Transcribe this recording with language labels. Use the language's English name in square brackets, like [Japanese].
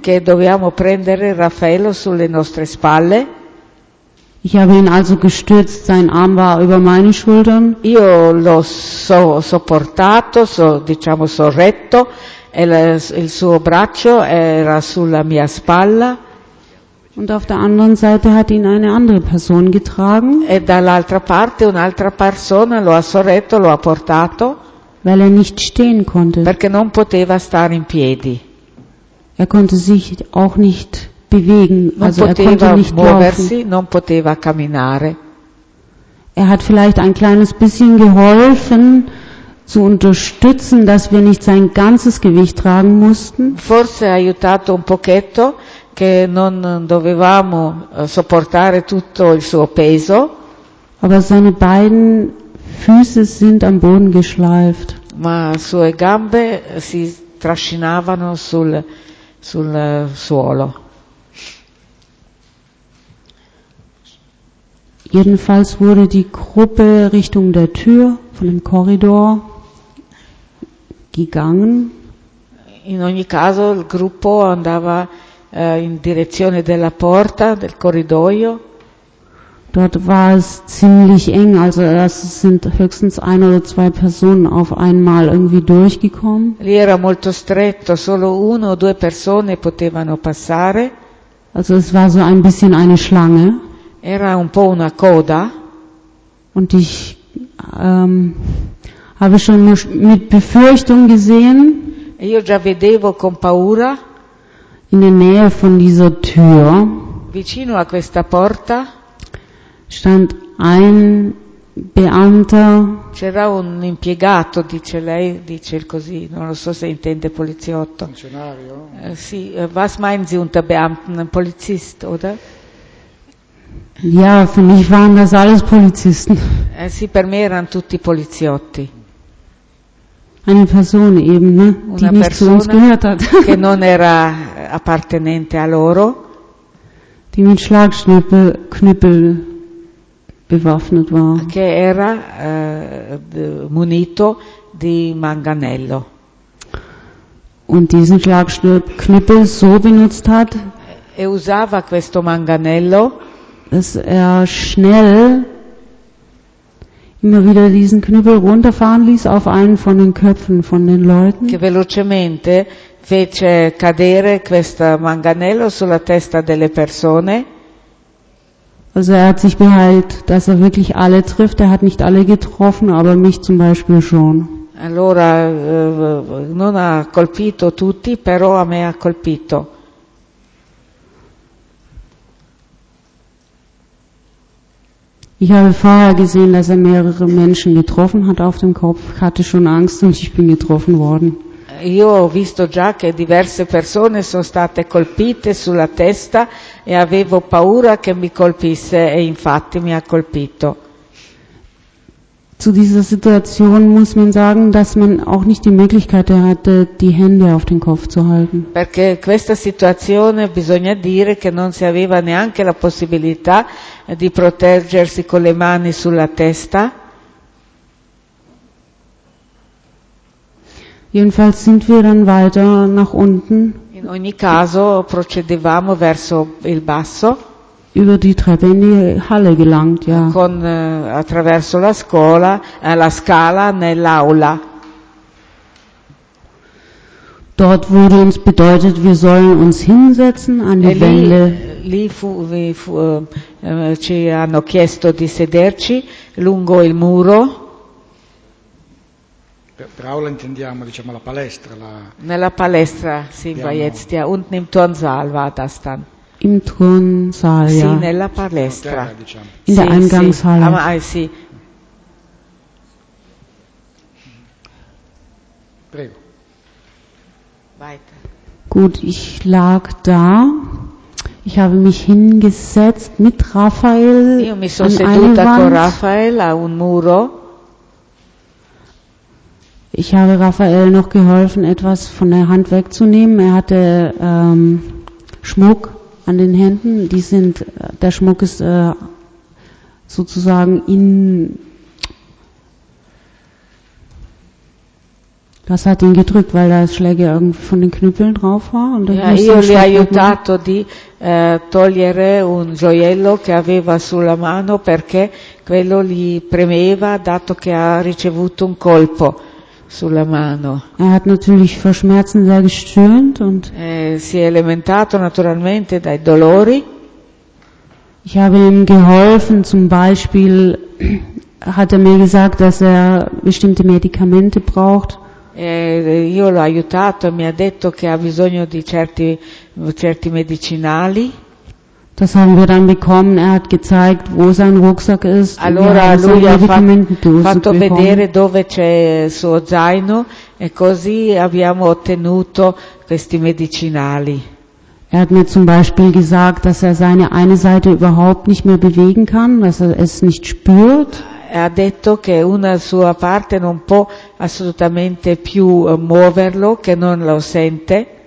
[Italian] Che dobbiamo prendere Raffaello sulle nostre spalle. [German] Ich habe ihn also gestützt, sein Arm war über meine Schultern. [Italian] Io l'ho sopportato, diciamo sorretto, e il suo braccio era sulla mia spalla. [German] Und auf der anderen Seite hat ihn eine andere Person getragen. [Italian] E dall'altra parte un'altra persona lo ha sorretto, lo ha portato. [German] Weil er nicht stehen konnte. [Italian] Perché non poteva stare in piedi. [German] Er konnte sich auch nicht bewegen, also er konnte nicht [Italian] muoversi, [German] laufen. [Italian] Non poteva camminare. [German] Er hat vielleicht ein kleines bisschen geholfen, zu unterstützen, dass wir nicht sein ganzes Gewicht tragen mussten. [Italian] Forse ha aiutato un pochetto che non dovevamo sopportare tutto il suo peso. [German] Aber seine beiden Füße sind am Boden geschleift. [Italian] Ma sue gambe si trascinavano sul suolo. [German] Jedenfalls wurde die Gruppe Richtung der Tür von dem Korridor gegangen. [Italian] In ogni caso il gruppo andava in direzione della porta del corridoio. [German] Dort war es ziemlich eng, also es sind höchstens ein oder zwei Personen auf einmal irgendwie durchgekommen. [Italian] Lì era molto stretto, solo uno o due persone potevano passare. [German] Also es war so ein bisschen eine Schlange. [Italian] Era un po' una coda. [German] Und ich habe schon mit Befürchtung gesehen. [Italian] Io già vedevo con paura. [German] In der Nähe von dieser Tür. [Italian] Vicino a questa porta. [German] Stand ein Beamter. [Italian] C'era un impiegato, dice lei, dice così, non lo so se intende poliziotto. Funzionario? [German] Sì, was meinen Sie unter Beamten, ein Polizist, oder? Ja, für mich waren das alles Polizisten. [Italian] Sì, per me erano tutti poliziotti. [German] Eine Person eben, ne, [Italian] una [German] die nicht zu uns gehört hat. [Italian] Che non era appartenente a loro. [German] Die mit Schlagschnippel, Knüppel bewaffnet war. [Italian] Che era munito di manganello. [German] Und diesen Schlagknüppel so benutzt hat, [Italian] e usava questo manganello, [German] dass er schnell immer wieder diesen Knüppel runterfahren ließ auf einen von den Köpfen von den Leuten. [Italian] Che velocemente fece cadere questo manganello sulla testa delle persone. [German] Also er hat sich beheilt, dass er wirklich alle trifft. Er hat nicht alle getroffen, aber mich zum Beispiel schon. [Italian] Allora, non ha colpito tutti, però a me ha colpito. [German] Ich habe vorher gesehen, dass er mehrere Menschen getroffen hat auf dem Kopf. Ich hatte schon Angst und ich bin getroffen worden. [Italian] Io ho visto già che diverse persone sono state colpite sulla testa e avevo paura che mi colpisse e infatti mi ha colpito. [German] Zu dieser Situation muss man sagen, dass man auch nicht die Möglichkeit hatte, die Hände auf den Kopf zu halten. [Italian] Perché questa situazione bisogna dire che non si aveva neanche la possibilità di proteggersi con le mani sulla testa. [German] Jedenfalls sind wir dann weiter nach unten. [Italian] In ogni caso procedevamo verso il basso. [German] Über die Treppe in die Halle gelangt, ja. [Italian] Con attraverso la scuola, la scala nell'aula. [German] Dort wurde uns bedeutet, wir sollen uns hinsetzen an die Wände. [Italian] Ci hanno chiesto di sederci lungo il muro. Per aula intendiamo, diciamo, la palestra. La... Nella palestra, sì, va [German] jetzt, ja. Unten im Turnsaal war das dann. Im Turnsaal, ja. [Italian] Sì, nella palestra. Terra, diciamo. [German] In der Eingangshalle. [Italian] Sì, ah, sì. Prego. [German] Weiter. Gut, ich lag da. Ich habe mich hingesetzt mit Raphael. Io mi sono seduta con Raphael a un muro. Ich habe Raphael noch geholfen, etwas von der Hand wegzunehmen. Er hatte Schmuck an den Händen. Die sind, der Schmuck ist sozusagen in. Das hat ihn gedrückt, weil da Schläge irgendwie von den Knüppeln drauf war. Und [Italian] ja, io gli ho aiutato di togliere un gioiello che aveva sulla mano perché quello gli premeva dato che ha ricevuto un colpo. Sulla mano. [German] Er hat natürlich vor Schmerzen sehr gestöhnt und [Italian] si è elementato naturalmente dai dolori. [German] Ich habe ihm geholfen, zum Beispiel hat er mir gesagt, dass er bestimmte Medikamente braucht. [Italian] Io l'ho aiutato, mi ha detto che ha bisogno di certi medicinali. [German] Das haben wir dann bekommen. Er hat gezeigt, wo sein Rucksack ist. [Italian] Allora lui ha fatto vedere dove c'è suo zaino e così abbiamo ottenuto questi medicinali. [German] Er hat mir zum Beispiel gesagt, dass er seine eine Seite überhaupt nicht mehr bewegen kann, dass er es nicht spürt. [Italian] Ha detto che una sua parte non può assolutamente più muoverlo, che non lo sente.